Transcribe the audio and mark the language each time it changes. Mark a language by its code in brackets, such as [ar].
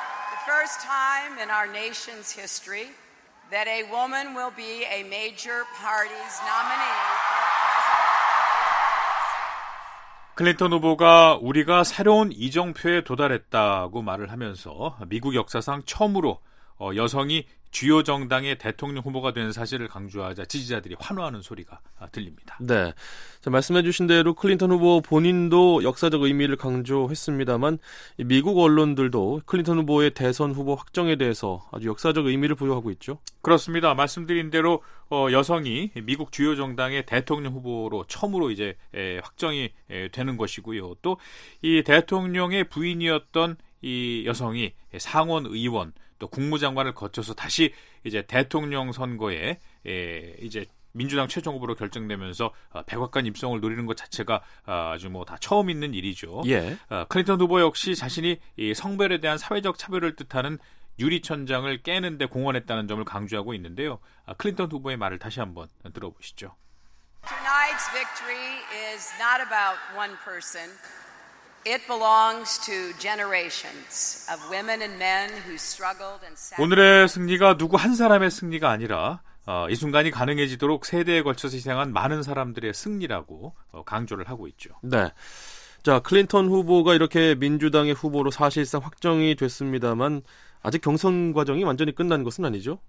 [en] The first time in our nation's history that a woman will be a major party's nominee. [ko] 클린턴 후보가 우리가 새로운 이정표에 도달했다고 말을 하면서 미국 역사상 처음으로 여성이 주요 정당의 대통령 후보가 된 사실을 강조하자 지지자들이 환호하는 소리가 들립니다. 네, 자, 말씀해 주신 대로 클린턴 후보 본인도 역사적 의미를 강조했습니다만 미국 언론들도 클린턴 후보의 대선 후보 확정에 대해서 아주 역사적 의미를 부여하고 있죠. 그렇습니다. 말씀드린 대로 여성이 미국 주요 정당의 대통령 후보로 처음으로 이제 확정이 되는 것이고요. 또 이 대통령의 부인이었던 이 여성이 상원 의원 또 국무장관을 거쳐서 다시 이제 대통령 선거에 이제 민주당 최종 후보로 결정되면서 백악관 입성을 노리는 것 자체가 아주 뭐 다 처음 있는 일이죠. 예. 클린턴 후보 역시 자신이 이 성별에 대한 사회적 차별을 뜻하는 유리천장을 깨는 데 공헌했다는 점을 강조하고 있는데요. 클린턴 후보의 말을 다시 한번 들어보시죠. [en] Tonight's victory is not about one person. It belongs to generations of women and men who struggled and sacrificed. [ko] 오늘의 승리가 누구 한 사람의 승리가 아니라 이 순간이 가능해지도록 세대에 걸쳐서 희생한 많은 사람들의 승리라고 강조를 하고 있죠. 네. 자, 클린턴 후보가 이렇게 민주당의 후보로 사실상 확정이 됐습니다만 아직 경선 과정이 완전히 끝난 것은 아니죠?